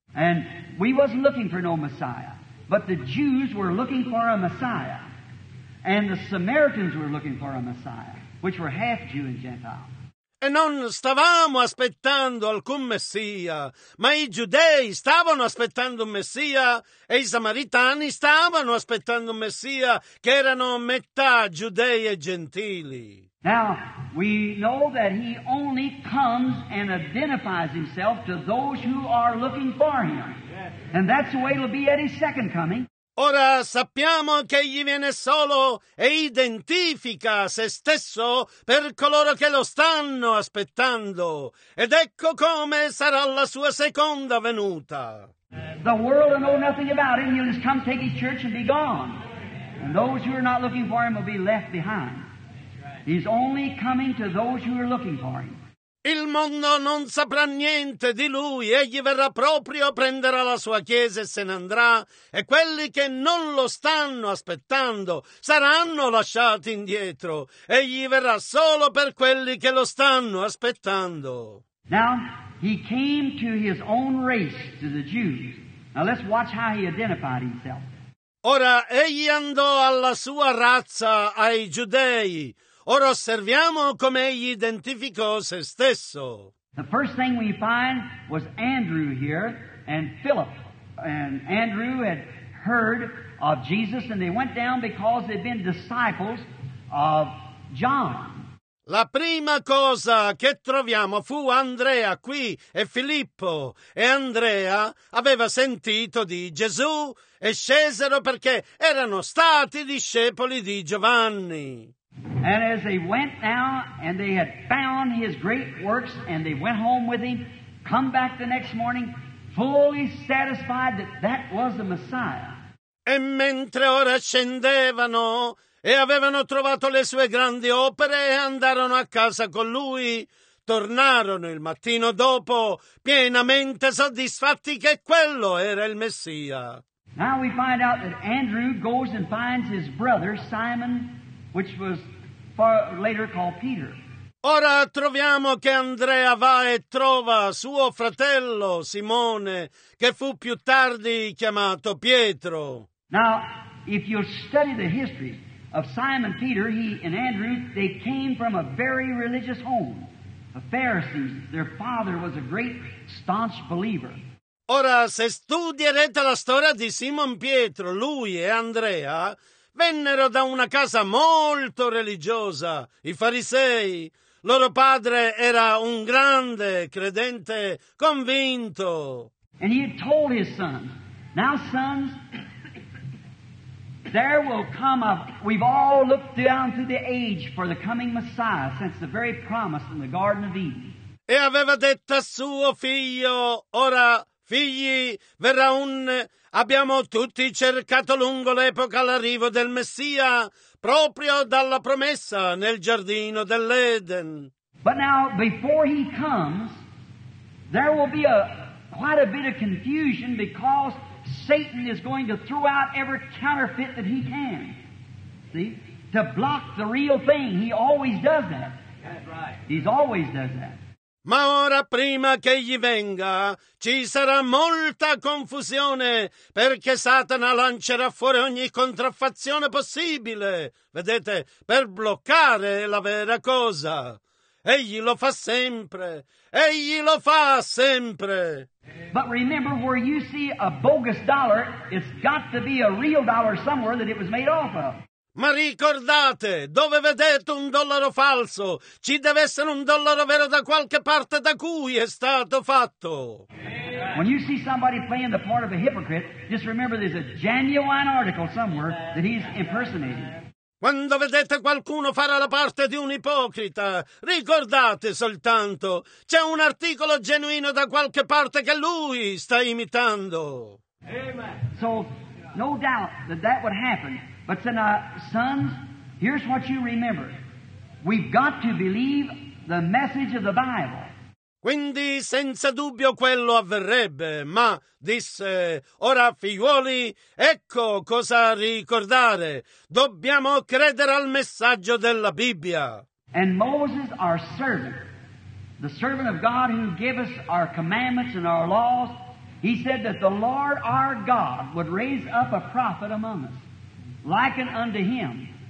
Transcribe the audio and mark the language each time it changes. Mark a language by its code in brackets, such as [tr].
[en] And we wasn't looking for no Messiah. But the Jews were looking for a Messiah. And the Samaritans were looking for a Messiah, which were half Jew and Gentile. [it] E non stavamo aspettando alcun Messia, ma i Giudei stavano aspettando un Messia, e i Samaritani stavano aspettando un Messia, che erano metà Giudei e Gentili. [en] Now, we know that he only comes and identifies himself to those who are looking for him. And that's the way it'll be at his second coming. [it] Ora sappiamo che egli viene solo e identifica se stesso per coloro che lo stanno aspettando. Ed ecco come sarà la sua seconda venuta. [en] The world will know nothing about him. He'll just come take his church and be gone. And those who are not looking for him will be left behind. He's only coming to those who are looking for him. [it] Il mondo non saprà niente di lui, egli verrà proprio, prenderà la sua chiesa e se ne andrà, e quelli che non lo stanno aspettando saranno lasciati indietro, egli verrà solo per quelli che lo stanno aspettando. [en] Now, he came to his own race, to the Jews. Now let's watch how he identified himself. [it] Ora, egli andò alla sua razza, ai Giudei. Ora osserviamo come egli identificò se stesso. [en] The first thing we find was Andrew here and Philip. And Andrew had heard of Jesus and they went down because they'd been disciples of John. [it] La prima cosa che troviamo fu Andrea qui e Filippo. E Andrea aveva sentito di Gesù e scesero perché erano stati discepoli di Giovanni. [en] And as they went now, and they had found his great works, and they went home with him, come back the next morning, fully satisfied that that was the Messiah. [it] E mentre ora scendevano, e avevano trovato le sue grandi opere, e andarono a casa con lui, tornarono il mattino dopo, pienamente soddisfatti che quello era il Messia. [en] Now we find out that Andrew goes and finds his brother, Simon, which was far later called Peter. [it] Ora troviamo che Andrea va e trova suo fratello Simone, che fu più tardi chiamato Pietro. [en] Now, If you study the history of Simon Peter, he and Andrew, they came from a very religious home, a Pharisee. Their father was a great staunch believer. [it] Ora, se studierete la storia di Simon Pietro, lui e Andrea vennero da una casa molto religiosa, i farisei. Loro padre era un grande credente convinto. [en] And he told his sons, now sons, there will come a, we've all looked down through the age for the coming Messiah since the very promise in the Garden of Eden. [it] E aveva detto a suo figlio, ora figli, verrà un, abbiamo tutti cercato lungo l'epoca l'arrivo del Messia proprio dalla promessa nel giardino dell'Eden. [en] But now, before he comes, there will be quite a bit of confusion because Satan is going to throw out every counterfeit that he can, see, to block the real thing. He always does that. That's right. He's always does that. [it] Ma ora, prima che egli venga, ci sarà molta confusione, perché Satana lancerà fuori ogni contraffazione possibile, vedete, per bloccare la vera cosa. Egli lo fa sempre. Egli lo fa sempre. [en] But remember, where you see a bogus dollar, it's got to be a real dollar somewhere that it was made off of. [it] Ma ricordate, dove vedete un dollaro falso, ci deve essere un dollaro vero da qualche parte da cui è stato fatto. [en] When you see somebody playing the part of a hypocrite, just remember there's a genuine article somewhere that he's impersonating. [it] Quando vedete qualcuno fare la parte di un ipocrita, ricordate soltanto, c'è un articolo genuino da qualche parte che lui sta imitando. [en] Amen. So, no doubt that that would happen. But then, sons, here's what you remember. We've got to believe the message of the Bible. [it] Quindi senza dubbio quello avverrebbe, ma disse, ora figliuoli, ecco cosa ricordare, dobbiamo credere al messaggio della Bibbia. [en] And Moses, our servant, the servant of God who gave us our commandments and our laws, he said that the Lord our God would raise up a prophet among us, likened unto him.